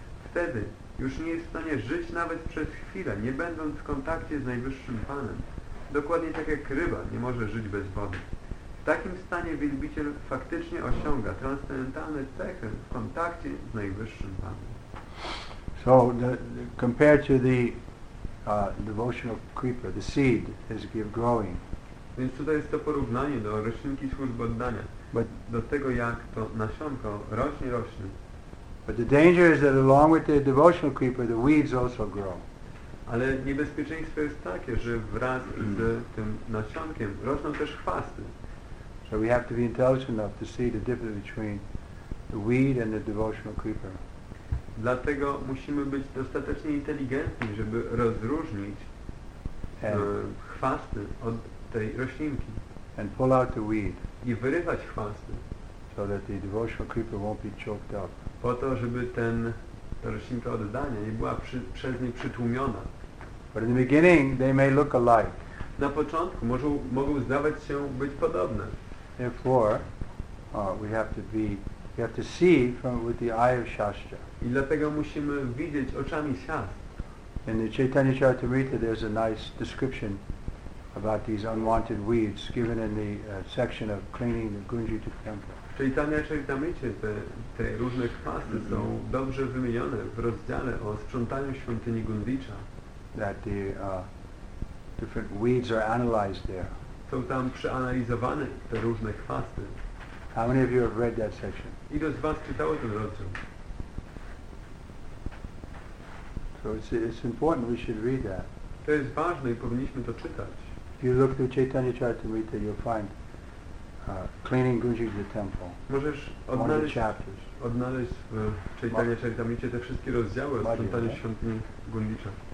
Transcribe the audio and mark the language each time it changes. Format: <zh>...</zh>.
<pl>Wtedy już nie jest w stanie żyć nawet przez chwilę, nie będąc w kontakcie z najwyższym Panem. Dokładnie tak jak ryba nie może żyć bez wody. W takim stanie wielbiciel faktycznie osiąga transcendentalne cechy w kontakcie z najwyższym Panem.</pl> <en>So, compared to the devotional creeper, the seed is give growing.</en> <pl>Więc tutaj jest to porównanie do roślinki służby oddania. But do tego, jak to nasionko rośnie, rośnie.</pl> <en>But the danger is that along with the devotional creeper, the weeds also grow.</en> <pl>Ale niebezpieczeństwo jest takie, że wraz z tym nasionkiem rosną też chwasty.</pl> <en>So we have to be intelligent enough to see the difference between the weed and the devotional creeper.</en> <pl>Dlatego musimy być dostatecznie inteligentni, żeby rozróżnić chwasty od tej roślinki.</pl> <en>And pull out the weed.</en> <pl>I wyrywać chwasty.</pl> <en>So that the devotional creeper won't be choked up.</en> <pl>Po to, żeby ta roślinka oddania nie była przez nie przytłumiona.</pl> <en>But in the beginning they may look alike.</en> <pl>Na początku mogą zdawać się być podobne.</pl> <en>Therefore, we have to see from with the eye of Shastra.</en> <pl>I dlatego musimy widzieć oczami Shastra.</pl> <en>In the Chaitanya Charitamrita there's a nice description about these unwanted weeds given in the section of cleaning the Gunjita temple.</en> <pl>W Chaitanya Charitamrita te różne chwasty są dobrze wymienione w rozdziale o sprzątaniu świątyni Gundicza.</pl> <en>That the different weeds are analyzed there.</en> <pl>Są tam przeanalizowane te różne chwasty.</pl> <en>How many of you have read that section?</en> <pl>Ilu z was czytało ten rozdział?</pl> <en>So it's important we should read that.</en> <pl>To jest ważne i powinniśmy to czytać.</pl> <en>If you look through Chaitanya Charitamrita, you'll find cleaning Gunjita temple.</en> <pl>Możesz odnaleźć, odnaleźć w Chaitanya Charitamrita te wszystkie rozdziały o sprzątaniu świątyni Gundicza.</pl>